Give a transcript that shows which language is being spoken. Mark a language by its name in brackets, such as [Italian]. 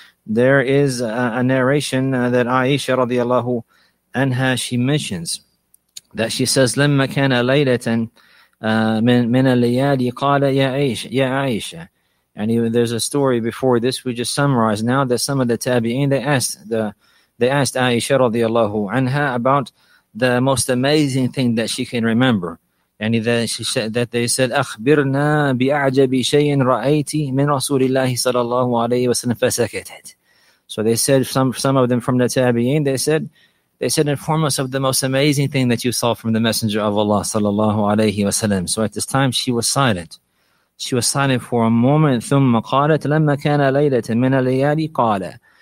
[English] There is a narration that Aisha radiallahu anha, she mentions, that she says, [Arabic] لَمَّا كَانَ لَيْلَةً مِنَ الْلِيَالِي قَالَ يَا [English] Aisha. And even there's a story before this, we just summarize now, that some of the tabi'een, they asked Aisha radiallahu anha about the most amazing thing that she can remember. And that she said, that they said, [Arabic] أَخْبِرْنَا بِأَعْجَبِ شَيْءٍ رَأَيْتِ مِنْ رَسُولِ اللَّهِ صَلَى اللَّهُ عَلَيْهِ وَسَلَمْ فَسَكَتَتْ. [English] So they said, some of them from the tabi'een, they said, inform us of the most amazing thing that you saw from the Messenger of Allah [Arabic] صَلَى اللَّهُ عَلَيْهِ وَسَلَمْ. [English] So at this time, she was silent. She was silent for a moment. [Arabic] ثُمَّ قَالَتْ لَمَّا كَانَ لَيْلَةً مِنَ الْلَيَالِي قَالَ.